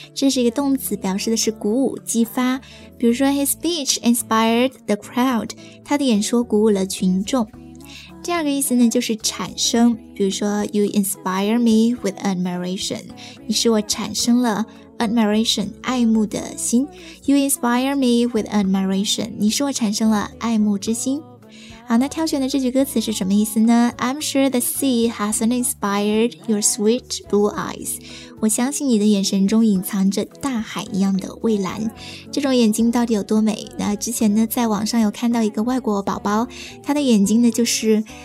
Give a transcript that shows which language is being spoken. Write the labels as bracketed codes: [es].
[zh] 这是一个动词，表示的是鼓舞、激发。比如说 [en] ,his speech inspired the crowd. [zh] 他的演说鼓舞了群众。第二个意思呢，就是产生。比如说 [en] ,you inspire me with admiration. [zh] 你使我产生了 admiration, 爱慕的心。 [en] You inspire me with admiration. [zh] 你使我产生了爱慕之心。好，那挑选的这句歌词是什么意思呢 [en] I'm sure the sea hasn't inspired your sweet blue eyes [zh] 我相信你的眼神中隐藏着大海一样的蔚蓝这种眼睛到底有多美那之前呢在网上有看到一个外国宝宝他的眼睛呢就是